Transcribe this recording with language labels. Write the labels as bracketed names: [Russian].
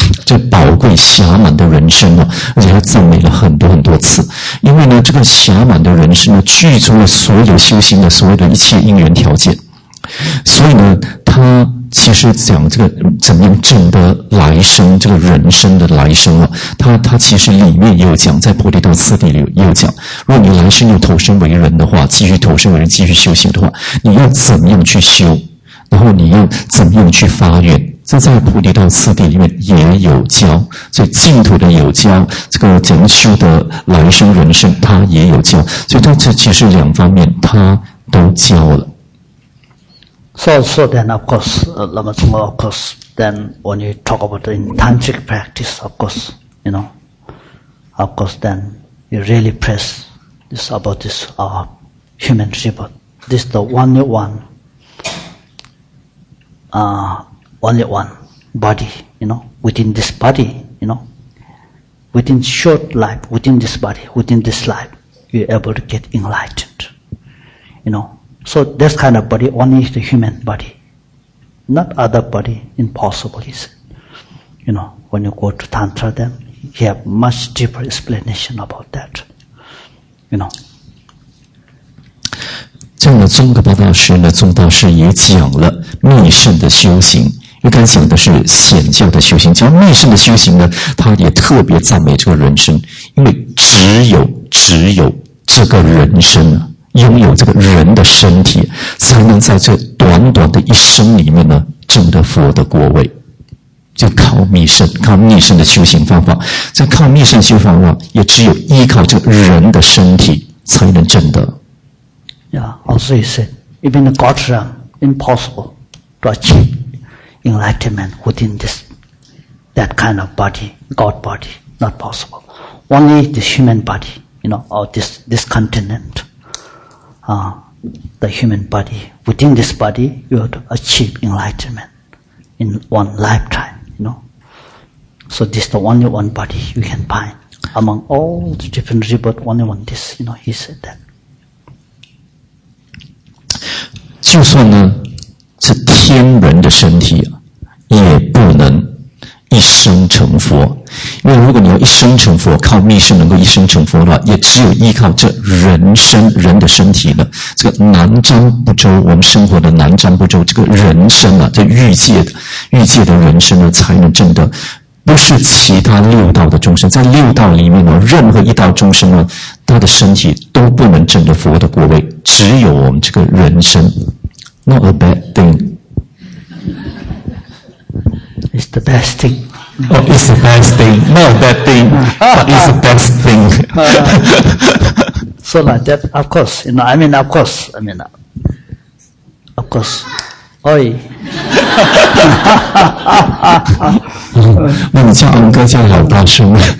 [Chinese] 这宝贵暇满的人生啊，而且他赞美了很多很多次，因为呢，这个暇满的人生呢，具足了所有修行的所有的一切因缘条件，所以呢，他其实讲这个怎么样证得来生，这个人生的来生啊，他其实里面也有讲，在菩提道次第里也有讲，如果你来生又投身为人的话，继续投身为人，继续修行的话，你要怎么样去修，然后你要怎么样去发愿。这在菩提道次第里面也有教，所以净土的有教，这个怎么修的来生人生他也有教，所以他这其实两方面他都教了。 [English] So then of course, Lama Tsongkhwa, of course, then when you talk about the intantric practice, of course, you know, of course then you really press this about this human rebirth. This is the only one, only one body, you know, within this body, you know, within short life, within this body, within this life, you're able to get enlightened, you know. So this kind of body only is the human body, not other body, impossible, is it? You know, when you go to Tantra then, you have much deeper explanation about that, you know. [Chinese] 这样的宗喀巴大师呢，宗大师也讲了密圣的修行，因为刚讲的是显教的修行，讲密圣的修行呢，他也特别赞美这个人生，因为只有这个人生啊，拥有这个人的身体，才能在这短短的一生里面呢，证得佛的果位，就靠密圣，靠密圣的修行方法，这靠密圣修行方法，也只有依靠这个人的身体才能证得。 [English] Yeah, also he said, even the God realm, impossible to achieve enlightenment within this, that kind of body, God body, not possible. Only this human body, you know, or this continent, the human body, within this body, you have to achieve enlightenment in one lifetime, you know. So this is the only one body you can find. Among all the different rebirth, only one this, you know, he said that. [Chinese] 就算呢，是天人的身体，也不能一生成佛。因为如果你要一生成佛，靠密圣能够一生成佛的话，也只有依靠这人身人的身体呢。这个南瞻部洲，我们生活的南瞻部洲，这个人身啊，这欲界的人身呢，才能证得。不是其他六道的众生，在六道里面呢，任何一道众生呢，他的身体都不能证得佛的果位，只有我们这个人身。 [English] Not a bad thing. It's the best thing. Oh, it's the best thing. Not a bad thing, but it's the best thing. So like that, of course, you know, I mean, of course. Oi. [Chinese] 那你叫安哥叫老大师吗？